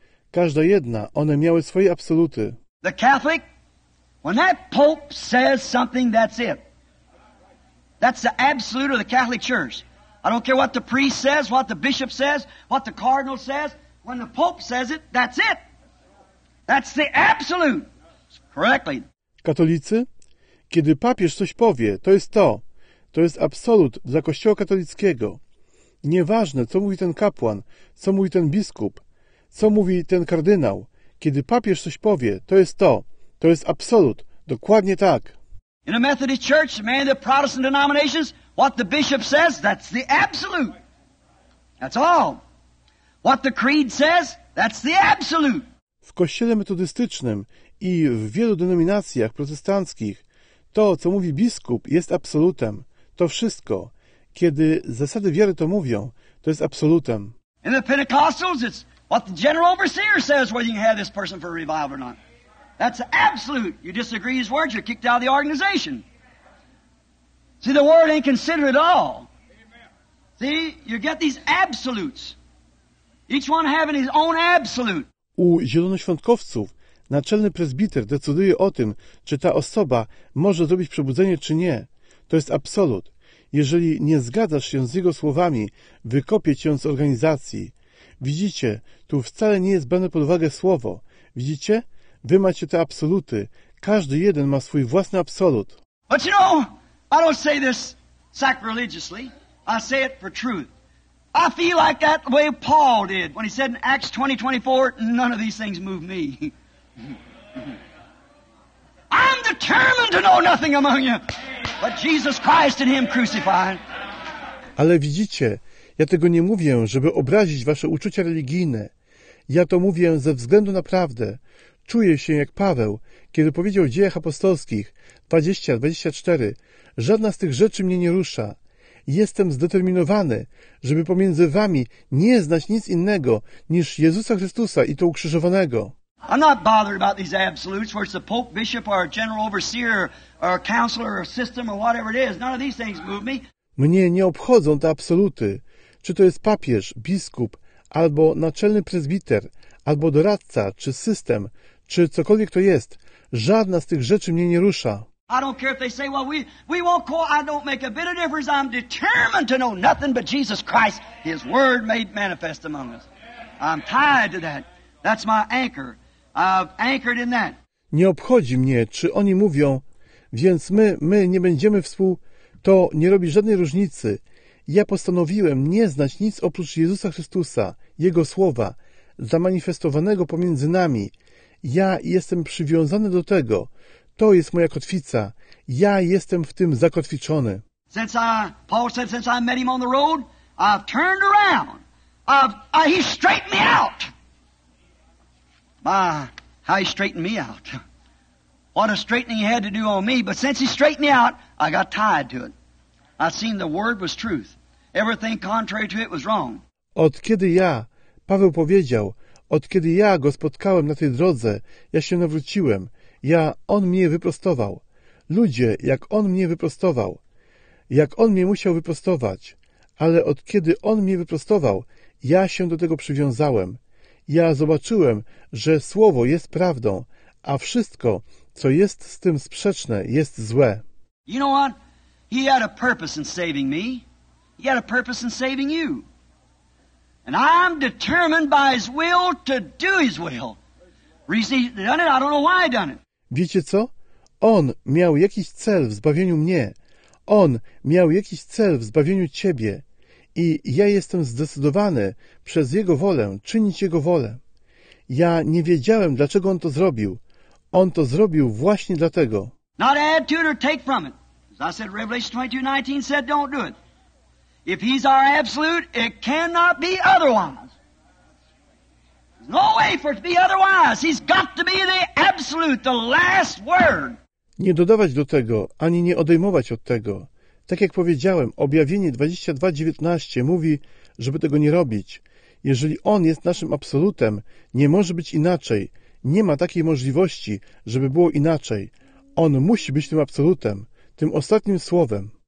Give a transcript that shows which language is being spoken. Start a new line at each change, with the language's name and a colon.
Polish: Każda jedna, one miały swoje absoluty.
English: The Catholic, when that Pope says something, that's it. That's the absolute of the Catholic Church. I don't care what the priest says, what the bishop says, what the cardinal says. When the Pope says it, that's it. That's the absolute. Correctly.
Polish: Katolicy, kiedy papież coś powie, to jest to. To jest absolut dla Kościoła katolickiego. Nieważne, co mówi ten kapłan, co mówi ten biskup, co mówi ten kardynał. Kiedy papież coś powie, to jest to. To jest absolut. Dokładnie tak.
English: In a Methodist church, many of the Protestant denominations, what the bishop says, that's the absolute. That's all. What the creed says, that's the absolute.
Polish: W kościele metodystycznym i w wielu denominacjach protestanckich to, co mówi biskup, jest absolutem. To wszystko. Kiedy zasady wiary to mówią, to jest absolutem.
English: In the Pentecostals, it's what the general overseer says, whether you have this person for a revival or not. That's absolute. You disagree his words, you're kicked out of the organization. See, the word ain't considered at all. See, you get these absolutes. Each one having his own absolute.
Polish: U zielonoświątkowców naczelny prezbiter decyduje o tym, czy ta osoba może zrobić przebudzenie, czy nie. To jest absolut. Jeżeli nie zgadzasz się z jego słowami, wykopie cię z organizacji. Widzicie, tu wcale nie jest brane pod uwagę słowo. Widzicie? Wy macie te absoluty. Każdy jeden ma swój własny absolut.
English: But you know, I don't say this sacrilegiously. I say it for truth. I feel like that way Paul did when he said in Acts 20:24, none of these things move me. I'm determined to know nothing among you but Jesus Christ and Him crucified.
Polish: Ale widzicie, ja tego nie mówię, żeby obrazić wasze uczucia religijne. Ja to mówię ze względu na prawdę. Czuję się jak Paweł, kiedy powiedział w Dziejach Apostolskich 20:24, żadna z tych rzeczy mnie nie rusza. Jestem zdeterminowany, żeby pomiędzy wami nie znać nic innego niż Jezusa Chrystusa i to ukrzyżowanego.
English: I'm not bothered about these absolutes, where it's the Pope, Bishop, or General Overseer, or Counselor, or System, or whatever it is. None of these things move me.
Polish: Mnie nie obchodzą te absoluty. Czy to jest papież, biskup, albo naczelny prezbiter, albo doradca, czy system, czy cokolwiek to jest. Żadna z tych rzeczy mnie nie rusza.
English: I don't care if they say, well, we won't call, I don't make a bit of difference. I'm determined to know nothing but Jesus Christ, His Word made manifest among us. I'm tied to that. That's my anchor. I've anchored in that.
Polish: Nie obchodzi mnie, czy oni mówią, więc my nie będziemy współ... To nie robi żadnej różnicy. Ja postanowiłem nie znać nic oprócz Jezusa Chrystusa, Jego Słowa, zamanifestowanego pomiędzy nami. Ja jestem przywiązany do tego. To jest moja kotwica. Ja jestem w tym zakotwiczony.
English: Paul said, since I met him on the road, I've turned around. He straightened me out. My, how he straightened me out. What a straightening he had to do on me. But since he straightened me out, I got tied to it. I seen the word was truth. Everything contrary to it was wrong.
Polish: Od kiedy ja, Paweł powiedział, od kiedy ja go spotkałem na tej drodze, ja się nawróciłem. On mnie wyprostował. Ludzie, jak on mnie wyprostował. Jak on mnie musiał wyprostować. Ale od kiedy on mnie wyprostował, ja się do tego przywiązałem. Ja zobaczyłem, że słowo jest prawdą, a wszystko, co jest z tym sprzeczne, jest złe.
English: You know what? He had a purpose in saving me. He had a purpose in saving you. And I'm determined by His will to do His will. Done it? I don't know why I done it.
Polish: Wiecie co? On miał jakiś cel w zbawieniu mnie. On miał jakiś cel w zbawieniu ciebie. I ja jestem zdecydowany przez Jego wolę czynić Jego wolę. Ja nie wiedziałem, dlaczego On to zrobił. On to zrobił właśnie dlatego.
English: Not add to it or take from it. As I said, Revelation 22:19 said, don't do it. If He's our absolute, it cannot be otherwise. There's no way for it to be otherwise. He's got to be the absolute, the last word.
Polish: Nie dodawać do tego, ani nie odejmować od tego. Tak jak powiedziałem, objawienie 22:19 mówi, żeby tego nie robić. Jeżeli On jest naszym absolutem, nie może być inaczej. Nie ma takiej możliwości, żeby było inaczej. On musi być tym absolutem, tym ostatnim słowem.